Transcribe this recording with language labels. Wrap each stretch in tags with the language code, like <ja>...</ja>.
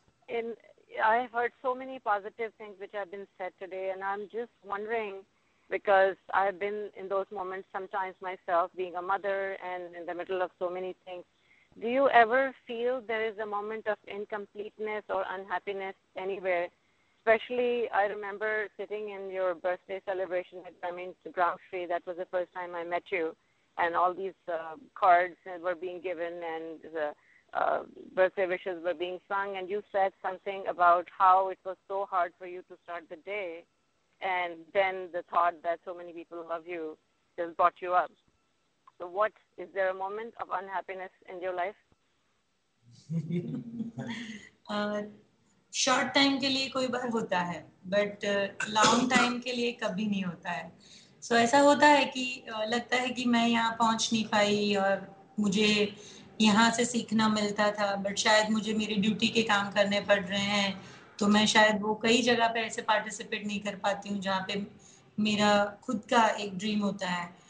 <en>In I have heard so many positive things which have been said today and I am just wondering because I have been in those moments sometimes myself being a mother and in the middle of so many things. Do you ever feel there is a moment of incompleteness और unhappiness anywhere? Especially, I remember sitting in your birthday celebration at Gramshree. That was the first time I met you. And all these cards were being given and the birthday wishes were being sung. And you said something about how it was so hard for you to start the day. And then the thought that so many people love you just brought you up. So what, is there a moment of unhappiness in your life?</en> <hi>Short time के लिए कोई बार होता है but long time के लिए कभी नहीं होता है. सो ऐसा होता है कि लगता है कि मैं यहाँ पहुँच नहीं पाई और मुझे यहाँ से सीखना मिलता था, बट शायद मुझे मेरी ड्यूटी के काम करने पड़ रहे हैं तो मैं शायद वो कई जगह पे ऐसे पार्टिसिपेट नहीं कर पाती हूँ जहाँ पे मेरा खुद का एक ड्रीम होता है.</hi>